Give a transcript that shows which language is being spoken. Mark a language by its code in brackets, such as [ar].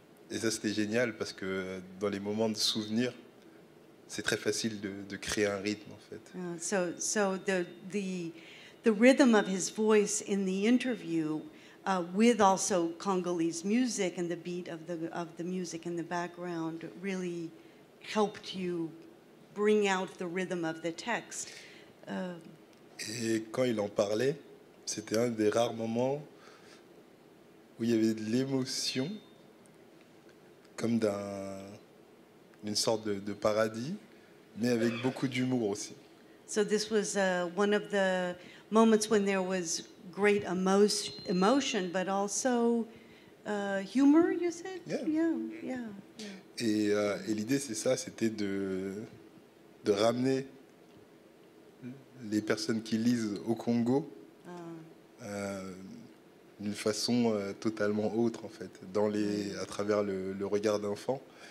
[fr] Et ça, c'était génial parce que dans les moments de souvenir, c'est très facile de créer un rythme, en fait. [en] So the rhythm of his voice in the interview, with also Congolese music and the beat of the music in the background, really helped you bring out the rhythm of the text. [fr] Et quand il en parlait, c'était un des rares moments où il y avait de l'émotion, comme d'une sorte de paradis, mais avec beaucoup d'humour aussi. [en] So this was one of the moments when there was great emotion, but also humor, you said? Yeah. [fr] Et l'idée, c'est ça, c'était de ramener les personnes qui lisent au Congo d'une façon totalement autre, en fait, à travers le regard d'enfant.